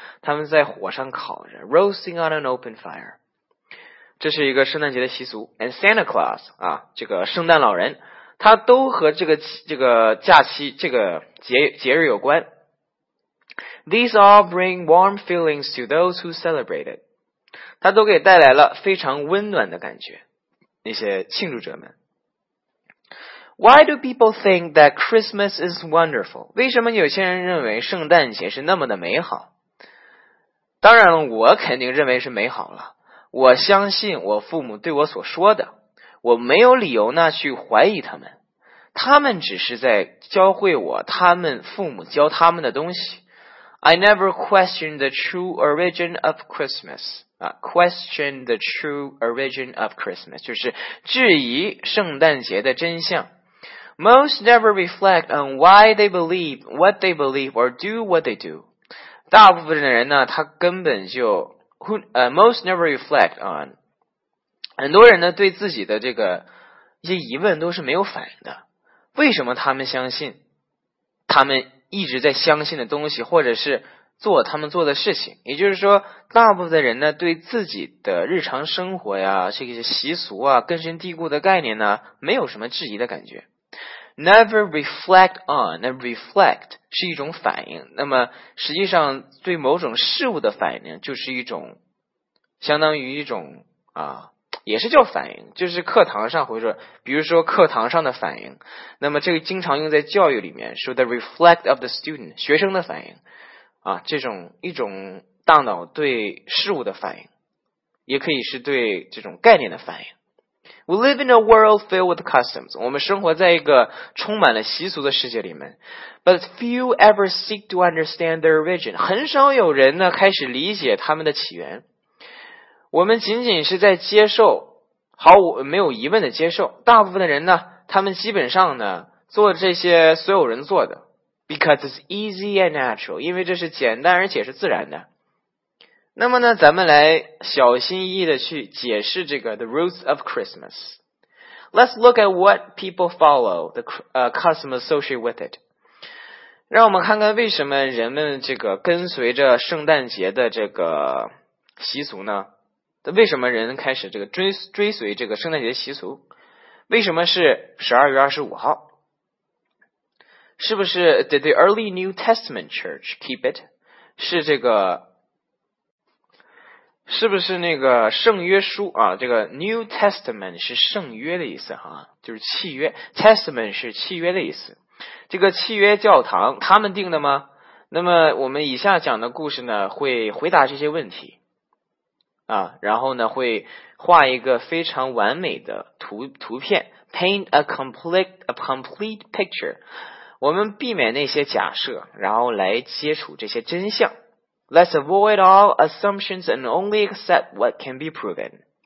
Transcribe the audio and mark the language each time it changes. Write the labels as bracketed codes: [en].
[zh] 他们在火上烤着 ， [en] roasting on an open fire。 [zh] 这是一个圣诞节的习俗 ，and Santa Claus 啊，这个圣诞老人，他都和这个假期这个节日有关。 [en] These all bring warm feelings to those who celebrate it。 [zh] 他都给带来了非常温暖的感觉，那些庆祝者们。 [en] Why do people think that Christmas is wonderful？ [zh] 为什么有些人认为圣诞节是那么的美好？当然，我肯定认为是美好了。我相信我父母对我所说的，我没有理由呢去怀疑他们，他们只是在教会我他们父母教他们的东西。 [en] I never questioned the true origin of Christmas. Question the true origin of Christmas [zh] 就是质疑圣诞节的真相。 [en] Most never reflect on why they believe what they believe or do what they do. [zh] 大部分的人呢，他根本就 [en] most never reflect on， [zh] 很多人呢对自己的这个一些疑问都是没有反应的，为什么他们相信他们一直在相信的东西，或者是做他们做的事情，也就是说大部分的人呢对自己的日常生活呀这些习俗啊根深蒂固的概念呢没有什么质疑的感觉。 [en] Never reflect on， reflect [zh] 是一种反应，那么实际上对某种事物的反应就是一种相当于一种啊，也是叫反应，就是课堂上会说，比如说课堂上的反应，那么这个经常用在教育里面，说 [en] the reflect of the student， [zh] 学生的反应啊，这种一种大脑对事物的反应，也可以是对这种概念的反应。 [en] We live in a world filled with customs， [zh] 我们生活在一个充满了习俗的世界里面。 [en] But few ever seek to understand their origin. [zh] 很少有人呢开始理解他们的起源。我们仅仅是在接受，毫无没有疑问的接受。大部分的人呢，他们基本上呢做这些所有人做的。 [en] Because it's easy and natural. [zh] 因为这是简单而且是自然的。那么呢，咱们来小心翼翼的去解释这个 [en] the roots of Christmas. Let's look at what people follow, the custom associated with it. [zh] 让我们看看为什么人们这个跟随着圣诞节的这个习俗呢？为什么人开始这个追随这个圣诞节习俗？为什么是12月25号？是不是 [en] did the early New Testament church keep it? [zh] 是这个是不是那个圣约书啊，这个 New Testament 是圣约的意思啊，就是契约， Testament 是契约的意思。这个契约教堂他们定的吗？那么我们以下讲的故事呢会回答这些问题啊，然后呢会画一个非常完美的图片 [en] paint a complete picture。 [zh] 我们避免那些假设，然后来接触这些真相。 [en] Let's avoid all assumptions and only accept what can be proven.